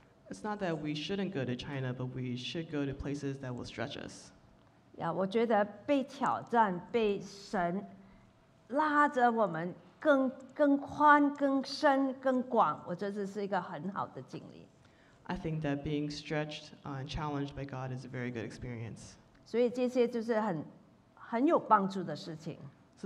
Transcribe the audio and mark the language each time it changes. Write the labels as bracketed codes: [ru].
[en] It's not that we shouldn't go to China, but we should go to places that will stretch us. [zh] Yeah, 我觉得被挑战，被神拉着我们更宽、更深、更广，我觉得这是一个很好的经历。 [en] I think that being stretched and challenged by God is a very good experience. [zh] 所以这些就是很有帮助的事情。So